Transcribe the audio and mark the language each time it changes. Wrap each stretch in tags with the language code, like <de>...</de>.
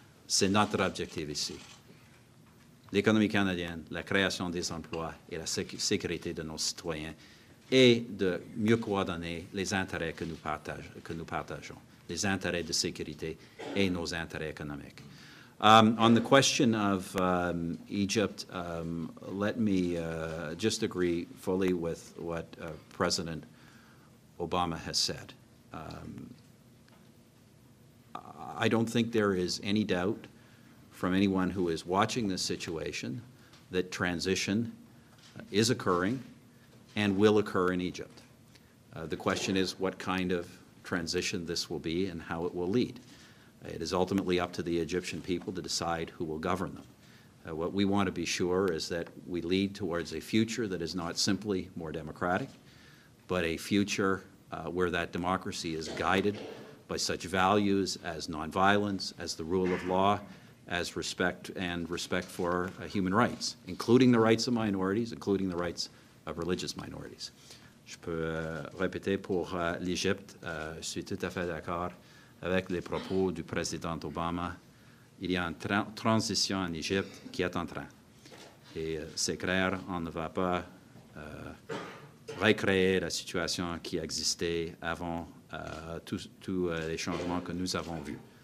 <fr>C'est notre objectif ici. L'économie canadienne, la création des emplois et la sécurité de nos citoyens. Et de mieux coordonner les intérêts que nous partageons, les intérêts de sécurité et nos intérêts économiques.</fr> <en>On the question of Egypt, let me just agree fully with what President Obama has said. I don't think there is any doubt from anyone who is watching this situation that transition is occurring and will occur in Egypt. The question is what kind of transition this will be and how it will lead. It is ultimately up to the Egyptian people to decide who will govern them. What we want to be sure is that we lead towards a future that is not simply more democratic, but a future where that democracy is guided by such values as nonviolence, as the rule of law, as respect and respect for human rights, including the rights of minorities, including the rights of religious minorities.</en> <fr>Je peux répéter pour l'Égypte, je suis tout à fait d'accord avec les propos du président Obama. Il y a une transition en Égypte qui est en train. Et c'est clair, on ne va pas recréer la situation qui existait avant tous les changements que nous avons vus.</fr>